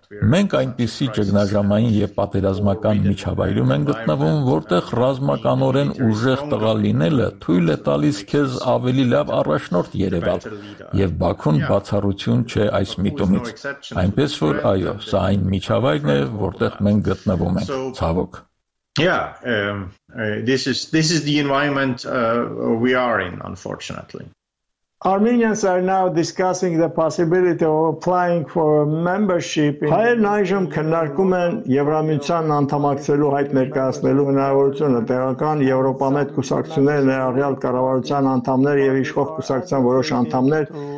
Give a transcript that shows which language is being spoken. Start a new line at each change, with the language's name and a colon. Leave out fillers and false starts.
Armenian: Մենք այնպիսի ճգնաժամային և պատերազմական միջավայրում են գտնվում, որտեղ ռազմականորեն ուժեղ տղա լինելը թույլ է տալիս քեզ ավելի լավ առաջնորդ երևալ, և Բաքուն բացառություն չէ այս միտումից։ Այնպես որ, այո, սա այն միջավայրն է, որտեղ մենք գտնվում ենք, ցավոք։
English: Yeah, this is the environment we are in, unfortunately. Armenians are now discussing the possibility of applying for membership in
Armenian: Հայերն այժմ քննարկում են Եվրամիության անդամակցելու հայտ ներկայացնելու հնարավորությունը, տեղական Եվրոպամետ կուսակցությունները, ներառյալ կառավարության անդամներ և իշխող կուսակցության որոշ անդամներ